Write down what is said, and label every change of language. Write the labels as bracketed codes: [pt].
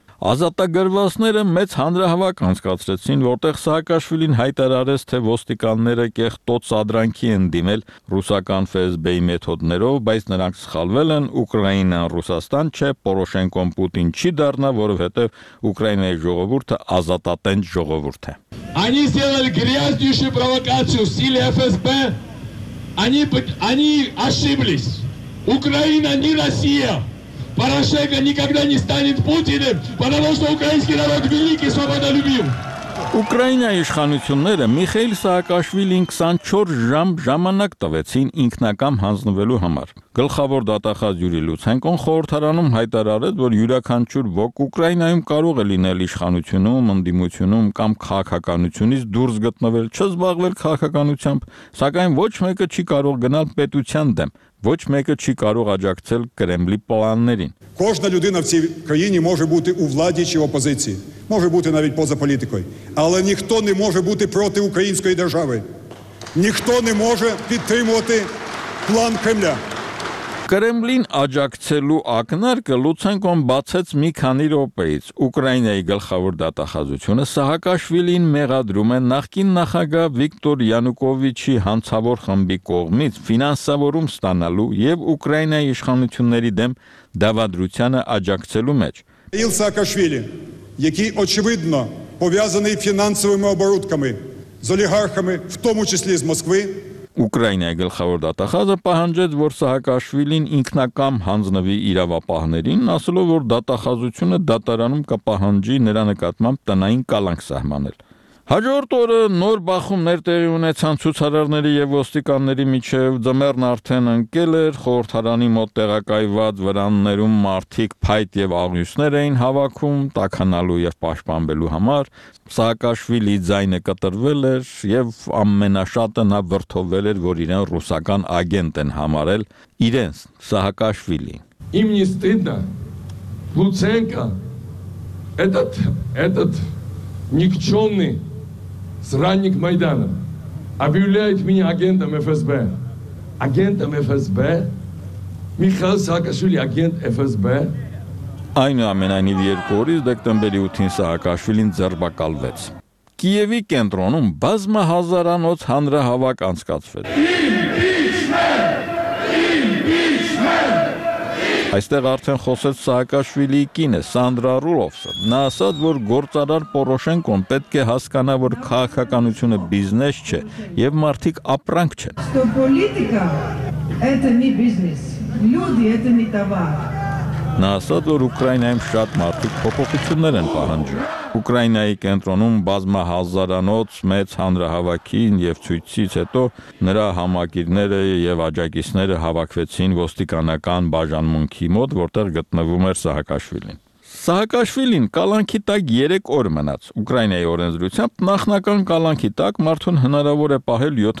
[hy] Ազատագրվածները մեծ հանրահավաք անցկացրեցին, որտեղ Սահակաշվիլին հայտարարեց, թե ոստիկանները կեղտոտ սադրանքի են դիմել ռուսական ՖՍԲ-ի մեթոդներով, բայց նրանք սխալվել են, Ուկրաինան Ռուսաստան չէ, Պորոշենկոն Պուտին չի դառնա, որովհետև Ուկրաինայի ժողովուրդը ազատատենչ ժողովուրդ է։ [ru] Они сделали грязнейшую провокацию в стиле ФСБ. Они ошиблись. Украина не Россия. Порошенко никогда не станет Путиным, потому что украинский народ великий, свободолюбив. [hy] Ուկրաինայի իշխանությունները Միխայել Սահակաշվիլին 24 ժամ ժամանակ տվեցին ինքնակամ հանձնվելու համար։ Գլխավոր դատախազ Յուրի Լուցենկոն խորհրդարանում հայտարարեց, որ յուրաքանչյուր ոք Ուկրաինայում կարող է լինել իշխանությունում, ընդդիմությունում կամ քաղաքականությունից դուրս գտնվել, չզբաղվել քաղաքականությամբ, սակայն ոչ մեկը չի կարող գնալ պետության դեմ, ոչ մեկը չի կարող աջակցել Կրեմլի պլաններին։ [uk] Кожна людина в цій країні може бути у владі чи в опозиції, може бути навіть поза політикою, але ніхто не може бути проти української держави, ніхто не може підтримувати план Кремля. [hy] Կրեմլին աջակցելու ակնարկը Լուցենկոն բացեց մի քանի րոպեից։ Ուկրաինայի գլխավոր դատախազությունը Սահակաշվիլին մեղադրում է նախկին նախագահ Վիկտոր Յանուկովիչի հանցավոր խմբի կողմից ֆինանսավորում ստանալու և Ուկրաինայի իշխանությունների դեմ դավադրությանը աջակցելու մեջ։ [uk] Իլ Սահակաշվիլին, який очевидно пов'язаний фінансовими оборудками з олігархами, в тому числі з Москви, [hy] Ուկրաինայի գլխավոր դատախազը պահանջեց, որ Սահակաշվիլին ինքնակամ հանձնվի իրավապահներին, ասելով, որ դատախազությունը դատարանում կպահանջի նրա նկատմամբ տնային կալանք սահմանել։ Հաջորդ օրը նոր բախումներ տեղի ունեցան ցուցարարների և ոստիկանների միջև, ձմեռն արդեն ընկել էր, խորհրդարանի մոտ տեղակայված վրաններում մարդիկ փայտ և աղյուսներ էին հավաքում տաքանալու և պաշտպանելու համար, Սահակաշվիլի ձայնը կտրվել էր և ամենաշատը նա վրդովել էր, որ իրեն ռուսական ագենտ են համարել, իրենց Սահակաշվիլի։ [ru] Իմնի ստիդնա Լուցենկա этот никчемный сранник Майдана объявляет меня агентом ФСБ. Агентом ФСБ? Михаил Саакашвили агент ФСБ? [hy] Այնուամենայնիվ երկու օրից դեկտեմբերի 8-ին Սահակաշվիլին ձերբակալվեց։ Կիևի կենտրոնում բազմահազարանոց հանրահավաք անցկացվեց։ Այստեղ արդեն խոսեց Սահակաշվիլի կինը Սանդրա Ռուլովսը։ Նա ասաց, որ գործարար Պորոշենկոն պետք է հասկանա, որ քաղաքականությունը բիզնես չէ և մարդիկ ապրանք չեն։ [ru] Что политика это не бизнес. Люди это не товар. [hy] Նա ասաց, որ Ուկրաինայում շատ մարդիկ փոփոխություններ են պահանջում։ Ուկրաինայի կենտրոնում բազմահազարանոց մեծ հանրահավաքին և ցույցից հետո նրա համակիրները և աջակիցները հավաքվեցին ոստիկանական բաժանմունքի մոտ, որտեղ գտնվում էր Սահակաշվիլին։ Սահակաշվիլին կալանքի տակ 3 օր մնաց։ Ուկրաինայի օրենսդրությամբ նախնական կալանքի տակ մարդուն հնարավոր է պահել